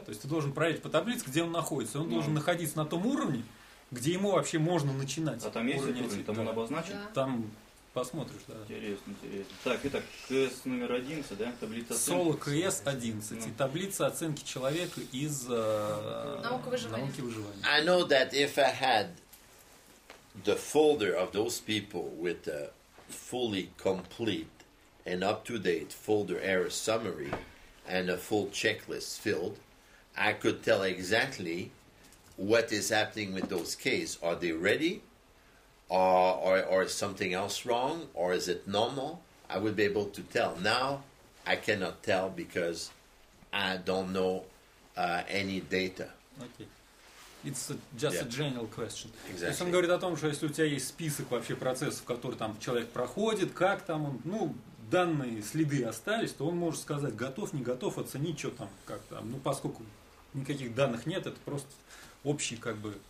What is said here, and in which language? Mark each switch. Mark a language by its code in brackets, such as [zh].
[ru] То есть ты должен проверить по таблице, где он находится. Он должен находиться на том уровне, где ему вообще можно начинать. А там есть уровень, эти, там он обозначен? Да. Там посмотришь, да. Интересно, интересно. Так, итак, КС номер 11, да? Таблица оценки. Соло КС 11. И таблица оценки человека из науки выживания. [en] I know that if I had the folder of those people with a fully complete and up-to-date folder error summary and a full checklist filled, I could tell exactly what is happening with those cases. Are they ready? Or is something else wrong? Or is it normal? I would be able to tell. Now, I cannot tell because I don't know any data. Okay. It's just a general question. Exactly. [ru] То есть он говорит о том, что если у тебя есть список вообще процессов, которые там человек проходит, как там он, ну, данные, следы остались, то он может сказать, готов, не готов, оценить, что там, как там. Ну, поскольку никаких данных нет, это просто общий, как бы...